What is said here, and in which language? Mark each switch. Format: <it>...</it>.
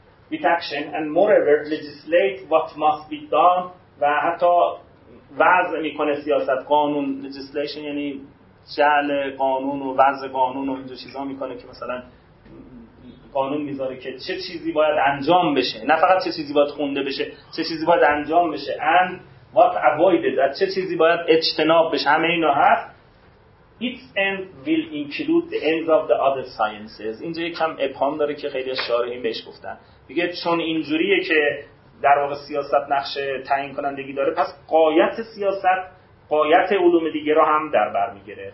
<en>With action and moreover legislate what must be done،</en> <fa>و حتی وضع میکنه سیاست، قانون، legislation یعنی جعل قانون و وضع قانون و اینجور چیزا میکنه که مثلا قانون میذاره که چه چیزی باید انجام بشه، نه فقط چه چیزی باید خونده بشه، چه چیزی باید انجام بشه،</fa> <en>and what avoided،</en> <fa>از چه چیزی باید اجتناب بشه، همه اینا هست.</fa> <en>Its end will include the ends of the other sciences.</en> <fa>اینجا یکم ابهام داره که خیلی اشاره این بهش گفتن، بگه چون اینجوریه که در واقع سیاست نقشه تعیین کنندگی داره، پس قایت سیاست قایت علوم دیگه را هم در بر میگیره.</fa>